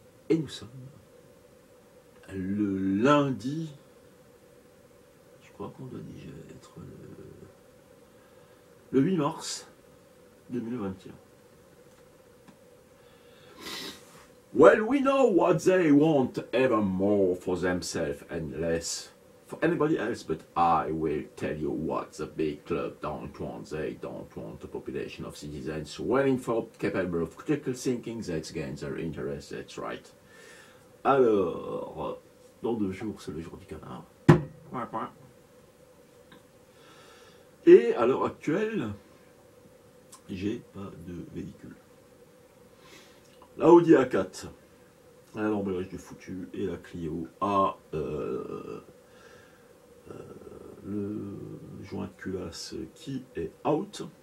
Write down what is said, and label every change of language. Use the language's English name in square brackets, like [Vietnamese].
[French] Et nous sommes le lundi. Je crois qu'on doit déjà être le 8 mars 2021. [English] Well, we know what they want ever more for themselves and less for anybody else, but I will tell you what the big club don't want. They don't want a population of citizens willing for capable of critical thinking that's against their interest, that's right. [French] Alors, dans deux jours, c'est le jour du canard. Et à l'heure actuelle, j'ai pas de véhicule. La Audi A4, à l'embrayage du foutu, et la Clio à le joint de culasse qui est out.